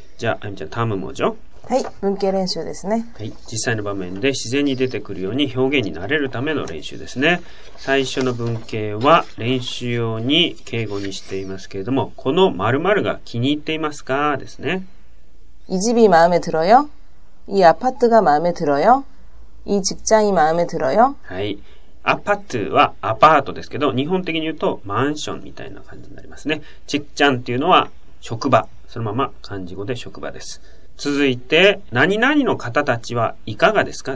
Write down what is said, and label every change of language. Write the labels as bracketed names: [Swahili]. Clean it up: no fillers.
[Japanese] じゃあ、あゆみちゃん、タムもじょ。はい、文型練習ですね。はい、実際の場面で自然に出てくるように表現に慣れるための練習ですね。最初の文型は練習用に敬語にしていますけれども、この〇〇が気に入っていますかですね。 [Korean] 이집이마음에들어요。 이아파트가마음에들어요。 이직장이마음에들어요。 [Japanese] はい。アパートはアパートですけど、日本的に言うとマンションみたいな感じになりますね。ちっちゃんっていうのは職場。そのまま漢字語で職場です。続いて、何々の方たちはいかがですか？